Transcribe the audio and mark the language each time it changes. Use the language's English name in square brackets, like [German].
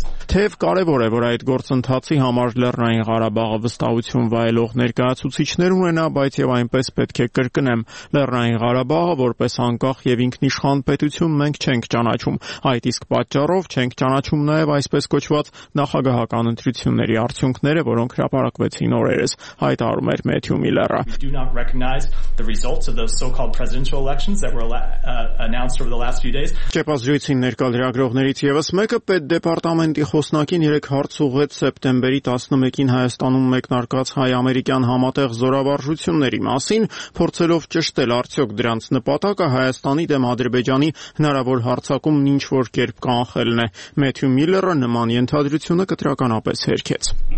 [Armenian] Թեև կարևոր է, որ այդ գործընթացի համար Լեռնային Ղարաբաղը վստահություն վայելող ներկայացուցիչներ ունենա, բայց և այնպես պետք է կրկնեմ, Լեռնային Ղարաբաղը որպես անկախ և ինքնիշխան պետություն մենք չենք ճանաչում, այդ իսկ պատճառով չենք ճանաչում նաև այսպես կոչված նախագահական ընտրությունների արդյունքները, որոնք հրապարակվեցին օրերս, հայտարարում էր Մեթյու Միլլերը։ [English] We do not recognize the results of those so-called presidential elections that were announced over the last few days. [Armenian] Չեփազրույցին ներկայացրողներից եւս մեկը պետ դեպարտամենտի խոսնակին երեք հարց ուղղեց սեպտեմբերի 11-ին Հայաստանում մեկնարկած հայ-ամերիկյան համատեղ զորավարժությունների մասին, փորձելով ճշտել, արդյոք դրանց նպատակը Հայաստանի դեմ Ադրբեջանի հնարավոր հարձակում ինչ որ կերպ կանխելն է։ Մեթյու Միլլերը նման ենթադրությունը կտրականապես հերքեց։